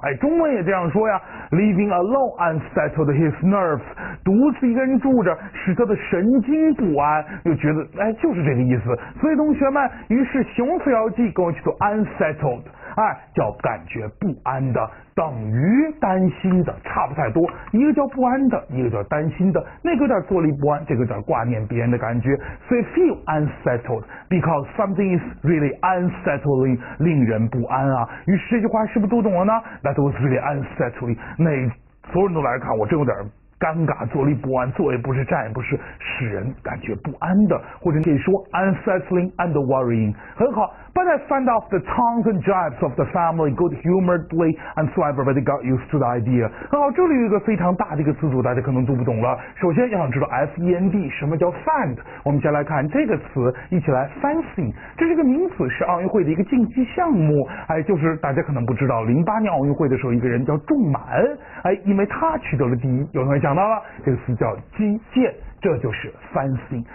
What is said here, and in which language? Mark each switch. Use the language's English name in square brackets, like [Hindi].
[Chinese] 哎，中文也这样说呀， Living alone unsettled his nerves，独自一个人住着使他的神经不安，就觉得哎，就是这个意思。所以同学们，于是形容词要记，跟我去做 unsettled，哎，叫感觉不安的，等于担心的，差不太多。一个叫不安的，一个叫担心的，那个有点坐立不安，这个有点挂念别人的感觉。所以 feel unsettled because something is really unsettling，令人不安啊。于是这句话是不是读懂了呢？ That was really unsettling，那所有人都来看我，真有点尴尬，坐立不安，坐也不是，站也不是，使人感觉不安的。或者你可以说 unsettling and worrying，很好。 [English] But I fend off the taunts and jibes of the family good-humoredly, and so everybody got used to the idea. [Chinese] 很好，这里有一个非常大的一个词组，大家可能读不懂了。首先要想知道 fend 什么叫 fend， 我们先来看这个词，一起来 fencing。这是一个名词，是奥运会的一个竞技项目。哎，就是大家可能不知道，08年奥运会的时候，一个人叫仲满，哎，因为他取得了第一，有同学讲到了，这个词叫击剑，这就是 fencing。